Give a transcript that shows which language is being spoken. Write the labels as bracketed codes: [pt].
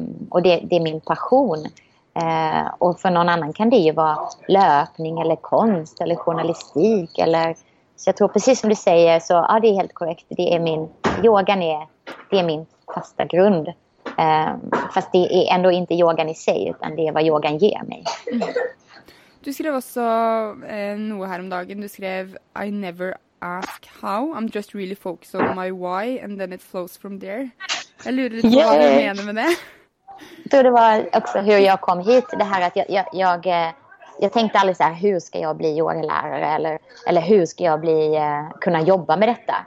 [sv] Och det är min passion. Och för någon annan kan det ju vara löpning eller konst eller journalistik. Så jag tror precis som du säger så, ja, det är helt korrekt. Det är min... Yogan är min fasta grund. Fast det är ändå inte yogan i sig, utan det är vad yogan ger mig. Mm. Du skrev också något här om dagen. Du skrev, [en] I never ask how, I'm just really focused on my why, and then it flows from there. [sv] Jag lurer lite på vad du menar med det. Jag tror det var också hur jag kom hit. Det här att jag tänkte aldrig så här, hur ska jag bli yogalärare eller hur ska jag kunna jobba med detta?